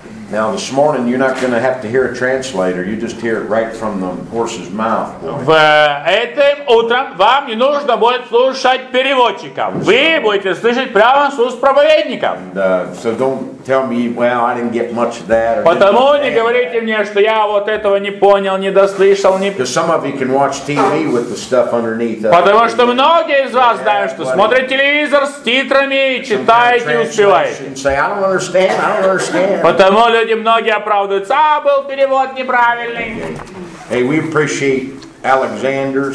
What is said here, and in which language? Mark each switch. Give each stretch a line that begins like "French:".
English: Now this morning you're not going to have to hear a translator. You just hear it right from the horse's mouth.
Russian: В этом утром вам не нужно будет слушать переводчика. Вы будете слышать прямо с уст проповедника.
English: So don't tell me, well, I didn't get much of that.
Russian: Потому не говорите мне, что я вот этого не понял, не дослышал, не.
English: Because some of you can watch TV with the stuff underneath.
Russian: Потому что многие из вас знают, что смотрят телевизор с титрами и читают и успевают.
English: Say I don't understand. I don't understand.
Russian: Потому люди многие оправдываются, а был перевод неправильный.
English: Hey, we appreciate Alexander.